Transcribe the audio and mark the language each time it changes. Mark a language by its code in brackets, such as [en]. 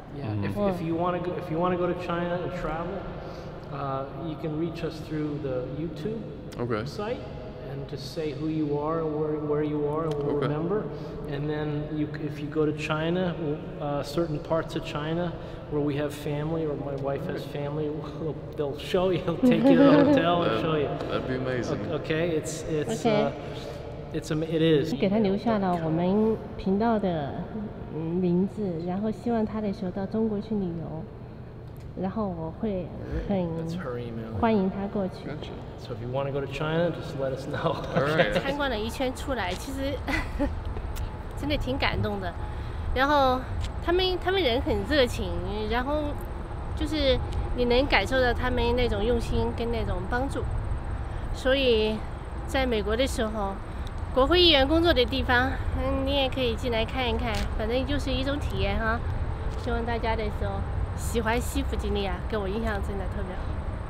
[en] If you want to go to China and travel, you can reach us through the YouTube site and just say who you are, where you are, and we'll remember. And then if you go to China, certain parts of China where we have family, or my wife has family, they'll show you, they'll take you to the hotel and show you. That'd be amazing. Okay, it is. [zh] 给他留下了我们频道的名字，然后希望他的时候到中国去旅游，然后我会很欢迎他过去。 [en] So if you want to go to China, just let us know. Alright. [zh] 参观了一圈出来，其实真的挺感动的。然后他们人很热情，然后就是你能感受到他们那种用心跟那种帮助。所以在美国的时候，国会议员工作的地方，你也可以进来看一看，反正就是一种体验哈。希望大家的时候喜欢西弗吉尼亚，给我印象真的特别好。